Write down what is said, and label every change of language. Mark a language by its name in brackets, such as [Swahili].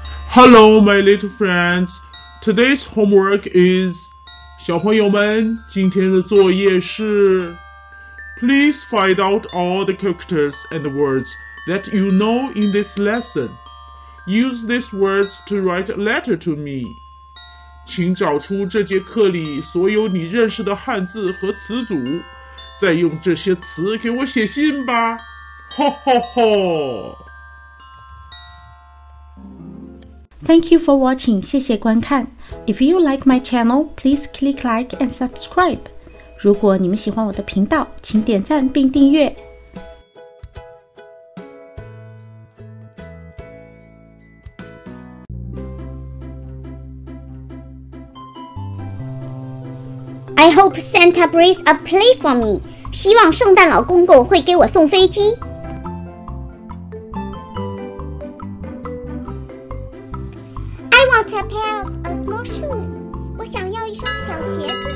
[English] Hello, my little friends. Today's homework is... [Chinese] 小朋友们，今天的作业是 [English] Please find out all the characters and words that you know in this lesson. Use these words to write a letter to me. [Chinese] 请找出这节课里所有你认识的汉字和词组，再用这些词给我写信吧。吼吼吼！ [English] Thank you for watching, [Chinese] 谢谢观看。 [English] If you like my channel, please click like and subscribe. [Chinese] 如果你们喜欢我的频道，请点赞并订阅。 [English] I hope Santa brings a plane for me. [Chinese] 希望圣诞老公公会给我送飞机。 [English] A pair of small shoes. [Chinese] 我想要一双小鞋子。